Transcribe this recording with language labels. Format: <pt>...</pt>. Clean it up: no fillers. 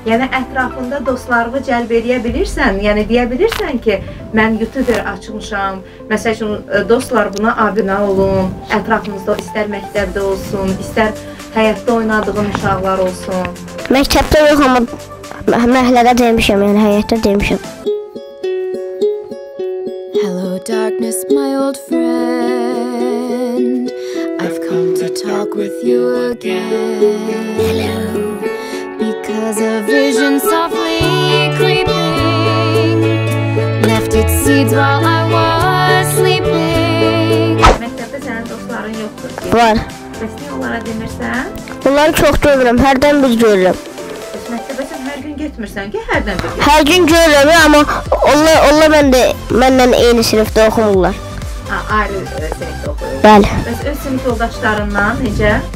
<az>Yəni, ətrafında dostlarımı cəlb edə bilirsən, yəni deyə bilirsən ki, mən YouTuber açmışam, məsəl üçün, dostlar buna abunə olun, ətrafımızda istər məktəbdə olsun, istər həyatda oynadığın uşaqlar olsun. Məktəbdə yox, amma məhlədə demişəm, yəni həyatda demişəm.</az> <en>Hello darkness, my old friend, I've come to talk with you again. Hello. Because a vision softly creeping left its seeds while I was sleeping.</en> <az>Məktəbdə sənin dostların yoxdur ki? Var. Bəs niyə onlara demirsən? Onları çox görürəm, hərdən bir görürəm. Məktəbdə sən hər gün getmirsən ki, hərdən bir görürəm. Hər gün görürəm, amma onlar məndən eyni sinifdə oxumurlar. Ayrı sinifdə oxuyurlar. Bəli. Bəs öz sinif yoldaşlarından necə?</az>